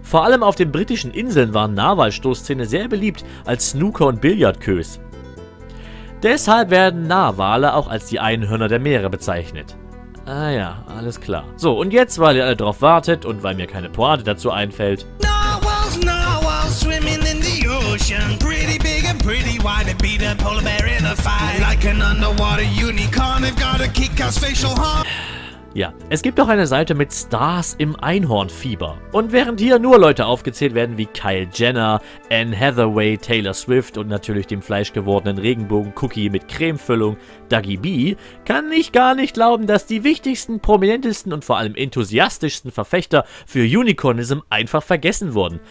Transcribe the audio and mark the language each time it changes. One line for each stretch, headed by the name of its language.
German: Vor allem auf den britischen Inseln waren Narwalstoßzähne sehr beliebt als Snooker- und Billardkös. Deshalb werden Narwale auch als die Einhörner der Meere bezeichnet. Ah ja, alles klar. So, und jetzt, weil ihr alle drauf wartet und weil mir keine Pointe dazu einfällt.
English: Narwhals, narwhals, swimming in the ocean. Pretty big and pretty wide, they beat a polar bear in a fight. Like an underwater unicorn, they've got a kick-ass facial horn.
German: Ja, es gibt auch eine Seite mit Stars im Einhornfieber. Und während hier nur Leute aufgezählt werden wie Kyle Jenner, Anne Hathaway, Taylor Swift und natürlich dem fleischgewordenen Regenbogen-Cookie mit Cremefüllung, Dougie B, kann ich gar nicht glauben, dass die wichtigsten, prominentesten und vor allem enthusiastischsten Verfechter für Unicornism einfach vergessen wurden.